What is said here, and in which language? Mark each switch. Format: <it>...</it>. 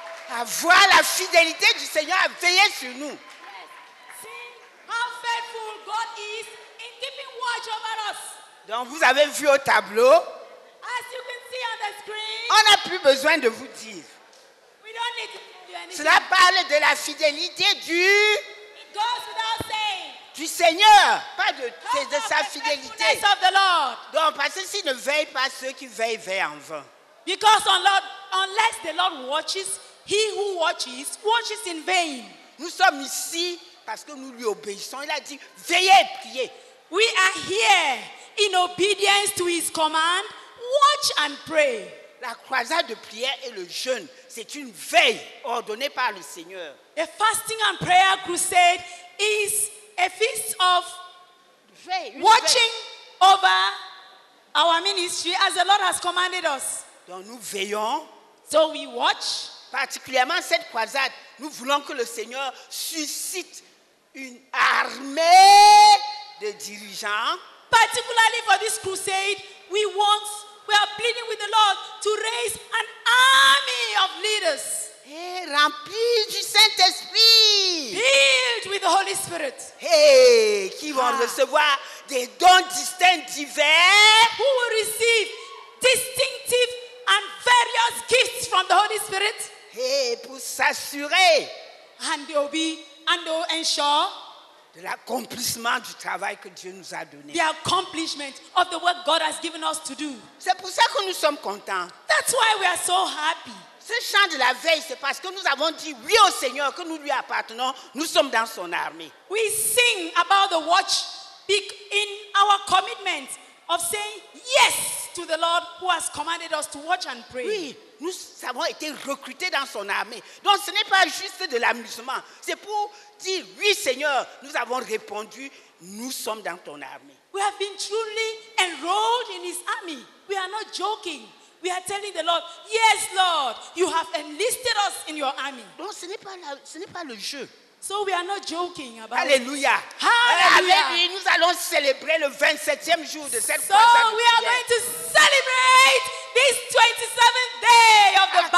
<fr>À voir la fidélité du Seigneur à veiller sur nous.</fr> <en>Yes. See how faithful God is in keeping watch over us.</en> <fr>Donc vous avez vu au tableau.</fr> <en>As you can see on the screen.</en> <fr>On n'a plus besoin de vous dire.</fr> <en>We don't need to tell you anything.</en> <fr>Cela parle de la fidélité du.</fr> <en>It goes without saying.</en> <fr>Du Seigneur, pas de, c'est de sa fidélité.</fr> <en>Of the Lord.</en> <fr>Donc, parce que s'il ne veille pas, ceux qui veillent veillent en vain.</fr> <en>Because unless the Lord watches, he who watches watches in vain.</en> <fr>Nous sommes ici parce que nous lui obéissons. Il a dit, veillez, priez.</fr> <en>We are here in obedience to his command, watch and pray.</en> <fr>La croisade de prière et le jeûne, c'est une veille ordonnée par le Seigneur.</fr> <en>A fasting and prayer crusade is a feast of watching over our ministry as the Lord has commanded us.</en> <fr>Donc nous veillons.</fr> <en>So we watch.</en> <fr>Particulièrement cette croisade, nous voulons que le Seigneur suscite une armée de dirigeants.</fr> <en>Particularly for this crusade, we are pleading with the Lord to raise an army of leaders.</en> <fr>Et rempli du Saint-Esprit.</fr> <en>Filled with the Holy Spirit.</en> <fr>Hey, qui vont recevoir des dons distincts divers.</fr> <en>Who will receive distinctive and various gifts from the Holy Spirit.</en> <fr>Hey, pour s'assurer.</fr> <en>And they'll ensure.</en> <fr>De l'accomplissement du travail que Dieu nous a donné.</fr> <en>The accomplishment of the work God has given us to do.</en> <fr>C'est pour ça que nous sommes contents.</fr> <en>That's why we are so happy.</en> <fr>Ce chant de la veille, c'est parce que nous avons dit oui au Seigneur, que nous lui appartenons, nous sommes dans son armée.</fr> <en>We sing about the watch in our commitment of saying yes to the Lord who has commanded us to watch and pray.</en> <fr>Oui, nous avons été recrutés dans son armée. Donc ce n'est pas juste de l'amusement, c'est pour dire oui Seigneur, nous avons répondu, nous sommes dans ton armée.</fr> <en>We have been truly enrolled in his army. We are not joking. We are telling the Lord, yes, Lord, you have enlisted us in your army.</en> <fr>Donc, ce n'est pas le jeu.</fr> <en>So we are not joking about</en> <fr>Alleluia.</fr> <en>It. Hallelujah.</en> <fr>Alleluia. Avec lui, nous allons célébrer le 27e jour de cette croisade.</fr> <en>So we are going to celebrate this 27th day of the battle.</en>